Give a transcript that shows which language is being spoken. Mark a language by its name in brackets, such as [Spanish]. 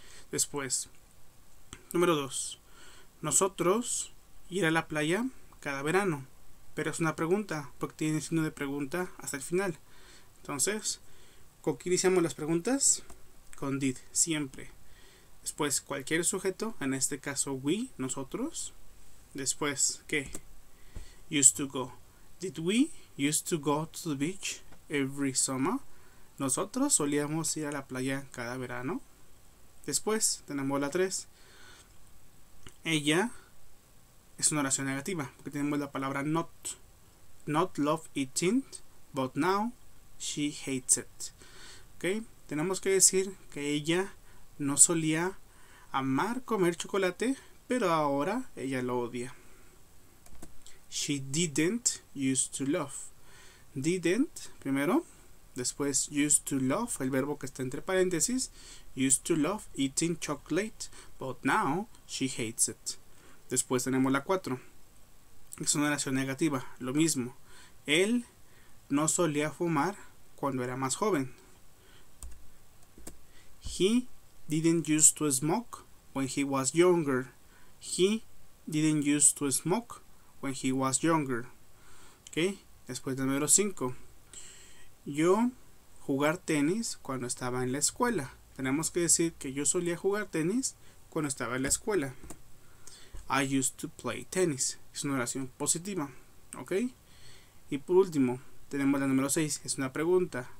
[Spanish] Después, número 2. Nosotros ir a la playa cada verano. Pero es una pregunta, porque tiene signo de pregunta hasta el final. Entonces, ¿con qué iniciamos las preguntas? Con did, siempre. Después, cualquier sujeto, en este caso, we, nosotros. Después, ¿qué? Used to go. [English] Did we used to go to the beach every summer? [Spanish] Nosotros solíamos ir a la playa cada verano. Después, tenemos la 3. Ella. Es una oración negativa, porque tenemos la palabra not. [English] Not love eating, but now she hates it. [Spanish] ¿Ok? Tenemos que decir que ella no solía amar comer chocolate, pero ahora ella lo odia. [English] She didn't used to love. Didn't, primero. [Spanish] Después, [English] used to love, [Spanish] el verbo que está entre paréntesis. [English] Used to love eating chocolate, but now she hates it. [Spanish] Después tenemos la 4. Es una oración negativa. Lo mismo. Él no solía fumar cuando era más joven. [English] He didn't used to smoke when he was younger. He didn't used to smoke when he was younger. [Spanish] ¿Okay? Después del número 5. Yo jugar tenis cuando estaba en la escuela. Tenemos que decir que yo solía jugar tenis cuando estaba en la escuela. [English] I used to play tennis. [Spanish] Es una oración positiva. [English] ¿Ok? [Spanish] Y por último, tenemos la número 6. Es una pregunta.